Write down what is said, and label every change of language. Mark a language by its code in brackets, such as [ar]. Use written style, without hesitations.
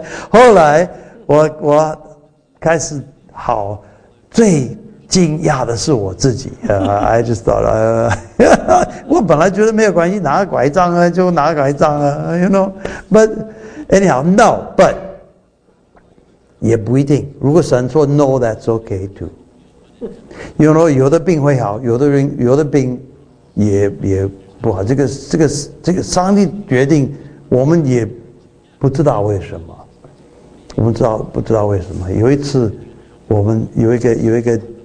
[zh] 后来我开始好，最惊讶的是我自己。 [en] I just thought, [zh] 我本来觉得没有关系，拿拐杖啊，就拿拐杖啊 ， [en] you know. But anyhow, no. But [zh] 也不一定。如果神说 [en] no, that's okay too. You know, [zh] 有的病会好，有的病也不好。这个上帝决定，我们也不知道为什么。我们知道不知道为什么？有一次，我们有一个。